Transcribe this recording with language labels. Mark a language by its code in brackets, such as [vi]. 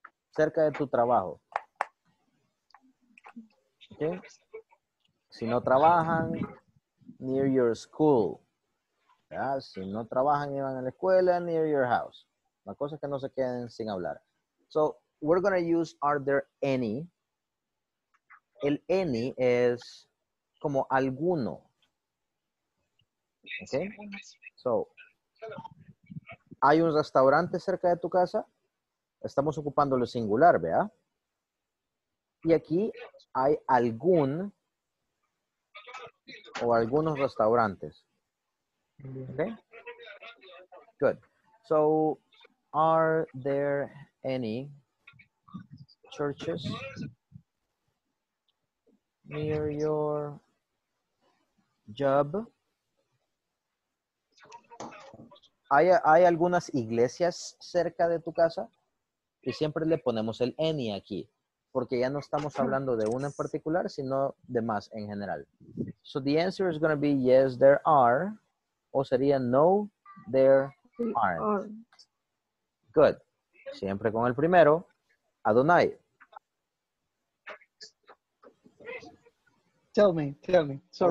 [es] Cerca de tu trabajo. Okay. Si no trabajan, [en] near your school. [es] ¿Verdad? Si no trabajan y van a la escuela, [en] near your house. [es] La cosa es que no se queden sin hablar. [en] So, we're going to use are there any. [es] El any es como alguno. Okay? So, ¿hay un restaurante cerca de tu casa? Estamos ocupando lo singular, ¿vea? Y aquí hay algún o algunos restaurantes. Okay? Good. [en] So, are there any churches near your job? [es] ¿Hay algunas iglesias cerca de tu casa? Y siempre le ponemos el any aquí, porque ya no estamos hablando de una en particular, sino de más en general. [en] So the answer is going to be yes, there are, [es] o sería [en] no, there aren't. [es] Good. Siempre con el primero, Adonai. [en] Tell me. Sorry.